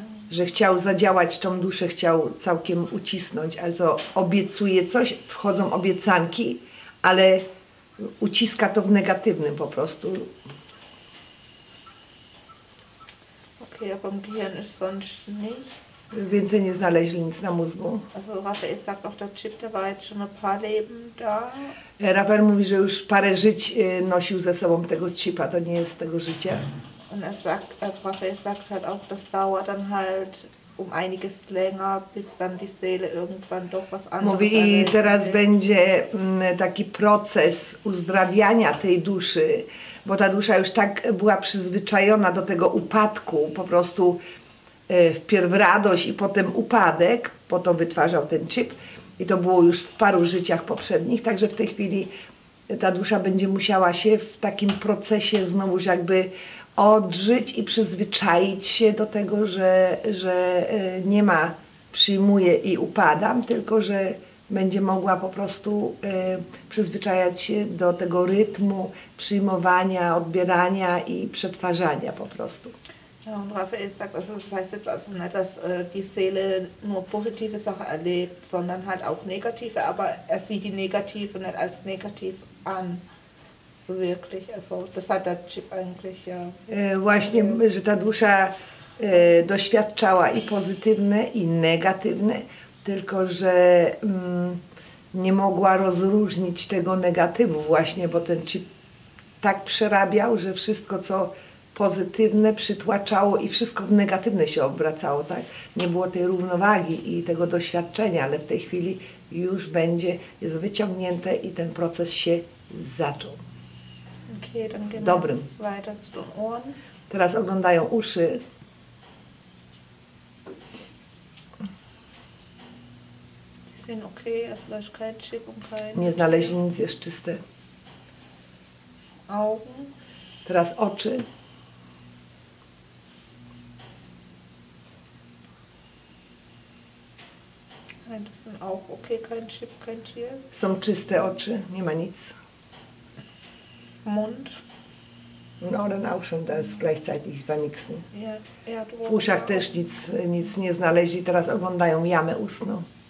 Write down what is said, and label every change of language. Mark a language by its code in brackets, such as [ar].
[pl] Że chciał zadziałać tą duszę, chciał całkiem ucisnąć, albo obiecuje coś, wchodzą obiecanki, ale uciska to w negatywnym po prostu. Okej, [de] okay, [pl] a w [de] Gehirn ist sonst nichts. [pl] Więcej nie znaleźli nic na mózgu. [de] Also Raphael sagt auch, der Chip, der war jetzt schon ein paar Leben da. [pl] Raphael mówi, że już parę żyć nosił ze sobą tego chipa, to nie jest z tego życia. [de] Und er sagt, also Raphael sagt halt auch, das dauert dann halt um einiges länger, bis dann die Seele irgendwann doch was anderes. [pl] Mówi, i teraz będzie taki proces uzdrawiania tej duszy, bo ta dusza już tak była przyzwyczajona do tego upadku, po prostu wpierw radość i potem upadek, po to wytwarzał ten chip i to było już w paru życiach poprzednich, także w tej chwili ta dusza będzie musiała się w takim procesie znowu jakby odżyć i przyzwyczaić się do tego, że nie ma przyjmuję i upadam, tylko że będzie mogła po prostu przyzwyczajać się do tego rytmu przyjmowania, odbierania i przetwarzania po prostu. [de] Ja, und Raphael sagt, also das heißt jetzt also nicht, dass die Seele nur positive Sachen erlebt, sondern halt auch negative, aber er sieht die negative nicht als negativ an. Wirklich, also das hat der Chip eigentlich ja. [pl] Właśnie, że ta dusza doświadczała i pozytywne, i negatywne, tylko że nie mogła rozróżnić tego negatywu właśnie, bo ten chip tak przerabiał, że wszystko co pozytywne przytłaczało i wszystko w negatywne się obracało, tak? Nie było tej równowagi i tego doświadczenia, ale w tej chwili już będzie, jest wyciągnięte i ten proces się zaczął. [de] Okay, dann gehen wir jetzt weiter zu den Ohren. [pl] Teraz oglądają uszy. [de] Die sind okay, also da ist kein Chip und kein. [pl] Nie znaleźli nic jeszcze czyste. [de] Augen. [pl] Teraz oczy. [de] Nein, das sind auch okay, kein Chip, kein Tier. [pl] Są czyste oczy, nie ma nic. [de] Mund. Dann auch schon, da ist gleichzeitig war nichts. Ne? Ja, [pl] w uszach też nic nie znaleźli, teraz oglądają jamę ustną.